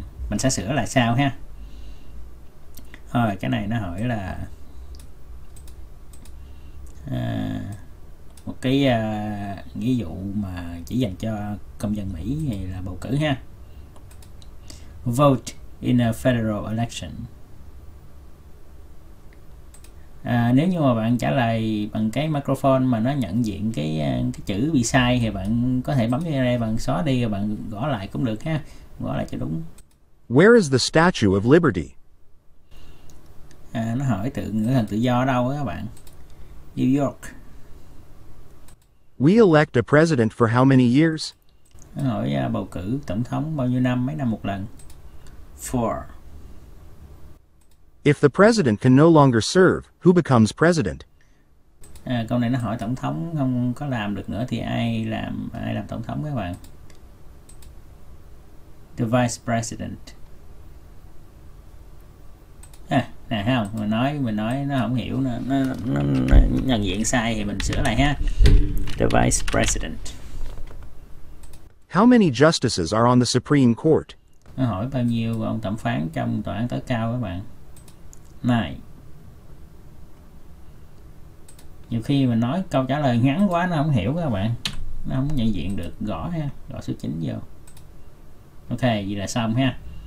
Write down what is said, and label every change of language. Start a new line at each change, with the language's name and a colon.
Vietnamese: Mình sẽ sửa lại sao ha. Rồi cái này nó hỏi là một cái ví dụ mà chỉ dành cho công dân Mỹ thì là bầu cử ha.
English: Vote in a federal election.
Vietnamese: Nếu như mà bạn trả lời bằng cái microphone mà nó nhận diện cái chữ bị sai thì bạn có thể bấm đây, bạn xóa đi rồi bạn gõ lại cũng được ha, gõ lại cho đúng.
English: Where is the Statue of Liberty?
Vietnamese: Nó hỏi tượng nữ thần tự do ở đâu đó các bạn.
English: New York. We elect a president for how many years?
Vietnamese: Nó hỏi bầu cử tổng thống bao nhiêu năm, mấy năm một lần.
English: Four. If the president can no longer serve, who becomes president?
Vietnamese: Câu này nó hỏi tổng thống không có làm được nữa thì ai làm tổng thống các bạn?
English: The vice president.
Vietnamese: Nè không, mình nói nó không hiểu, nó nhận diện sai thì mình sửa lại ha.
English: The vice president. How many justices are on the Supreme Court?
Vietnamese: Nó hỏi bao nhiêu ông thẩm phán trong tòa án tối cao các bạn? Này, nhiều khi mình nói câu trả lời ngắn quá nó không hiểu các bạn, nó không nhận diện được. Gõ ha, gõ số 9 vô. Ok, vậy là xong ha.